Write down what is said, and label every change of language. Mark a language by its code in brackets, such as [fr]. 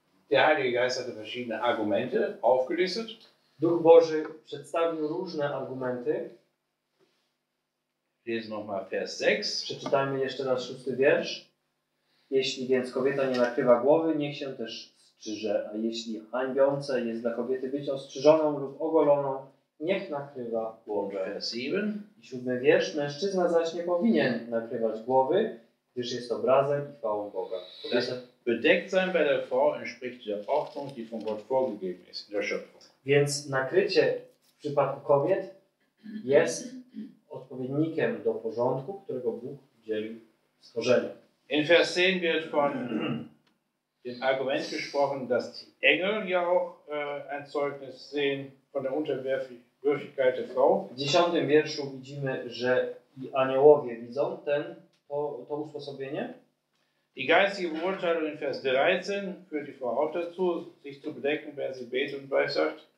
[de] Der Heilige Geist hatte verschiedene Argumente aufgelistet. [pl] Duch Boży przedstawił różne argumenty. [de] Jest nochmal Vers 6. [pl] Przeczytajmy jeszcze raz szósty wiersz. Jeśli więc kobieta nie nakrywa głowy, niech się też strzyże. A jeśli hańbiące jest dla kobiety być ostrzyżoną lub ogoloną, niech nakrywa głowę. [de] Vers 7. [pl] I siódmy wiersz. Mężczyzna zaś nie powinien nakrywać głowy, gdyż jest obrazem i chwałą Boga. [de] Bedeckt sein bei der Frau entspricht der Ordnung, die von Gott vorgegeben ist in der Schöpfung. [pl] Więc nakrycie w przypadku kobiet jest odpowiednikiem do porządku, którego Bóg dzielił stworzenie. [de] In Vers 10 wird von dem Argument gesprochen, dass die Engel ja auch ein Zeugnis sehen von der Unterwürfigkeit der Frau. [pl] W 10 wierszu widzimy, że i aniołowie widzą to usposobienie. [de] Die geistige Beurteilung in Vers 13 führt die Frau auch dazu, sich zu bedecken, wenn sie betet und weissagt.